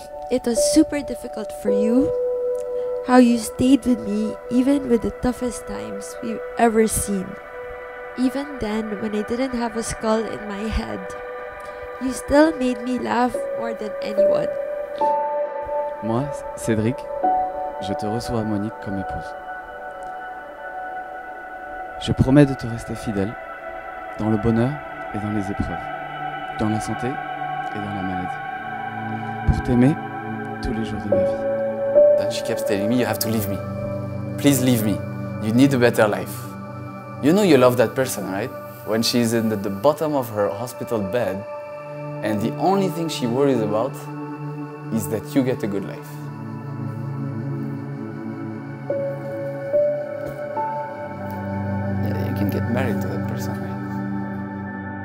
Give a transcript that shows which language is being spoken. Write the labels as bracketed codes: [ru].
[en] It was super difficult for you, how you stayed with me even with the toughest times we've ever seen. Even then, when I didn't have a skull in my head, you still made me laugh more than anyone. [fr] Moi, Cédric, je te reçois à Monique comme épouse. Je promets de te rester fidèle dans le bonheur et dans les épreuves, dans la santé et dans la maladie, pour t'aimer tous les jours de ma vie. [en] Then she kept telling me, you have to leave me. Please leave me. You need a better life. You know you love that person, right? When she's in the bottom of her hospital bed, and the only thing she worries about is that you get a good life. Yeah, you can get married to that person, right?